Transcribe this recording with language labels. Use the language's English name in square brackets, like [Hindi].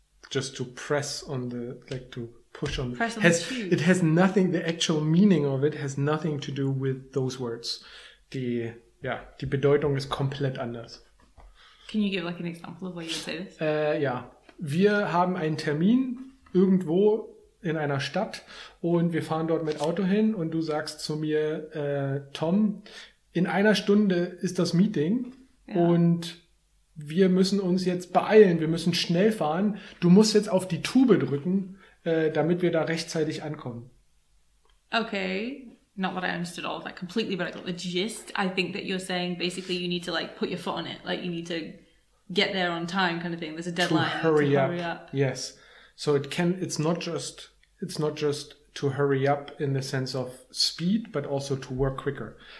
[English] Just to press on the, like to push on. Press on has, the tube. It has nothing, the actual meaning of it has nothing to do with those words. [German] The, yeah, die Bedeutung ist komplett anders. [English] Can you give like an example of what you would say this? Yeah. [German] Wir haben einen Termin irgendwo in einer Stadt und wir fahren dort mit Auto hin und du sagst zu mir, Tom, in einer Stunde ist das Meeting und wir müssen uns jetzt beeilen, wir müssen schnell fahren. Du musst jetzt auf die Tube drücken, damit wir da rechtzeitig ankommen. [English] Okay, not what I understood all of that completely, but I got the gist. I think that you're saying basically you need to like put your foot on it, like you need to get there on time kind of thing. There's a deadline. To hurry up. Yes. So it can, it's not just to hurry up in the sense of speed, but also to work quicker.